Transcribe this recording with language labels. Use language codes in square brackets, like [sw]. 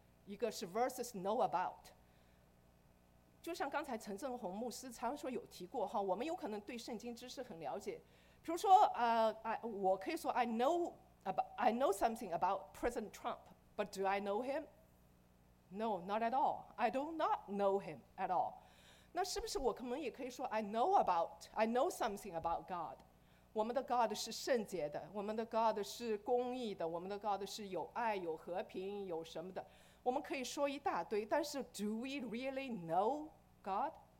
[zh] 一个是 [en] versus know about， [zh] 就像刚才陈正宏牧师常说有提过哈，我们有可能对圣经知识很了解，比如说我可以说 [en] I know something about President Trump， but do I know him？ No， not at all， I do not know him at all。 [zh] 那是不是我可能也可以说 [en] I know something about God， [zh] 我们的 God 是圣洁的，我们的 God 是公义的，我们的 God 是有爱有和平有什么的，我们可以说一大堆，但是 [en] do we really know God？